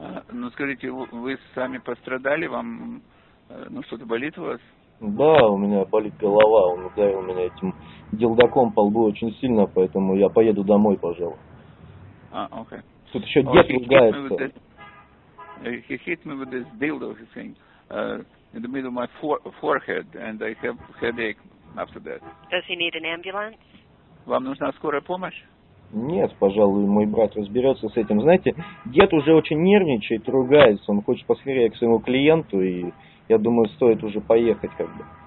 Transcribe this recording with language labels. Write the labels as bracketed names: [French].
[Russian] ну скажите, вы сами пострадали, вам, ну что-то болит у вас? Да, у меня болит голова, он ударил меня этим делдаком по лбу очень сильно, поэтому я поеду домой, пожалуй. А, окей. [English] Okay. [Russian] Тут еще дед ругается. [English] He hit me with this dildo thing in the middle of my forehead, and I have headache after that. Does he need an ambulance? [Russian] Вам нужна скорая помощь? Нет, пожалуй, мой брат разберется с этим. Знаете, дед уже очень нервничает, ругается, он хочет поскорее к своему клиенту, и я думаю, стоит уже поехать как бы.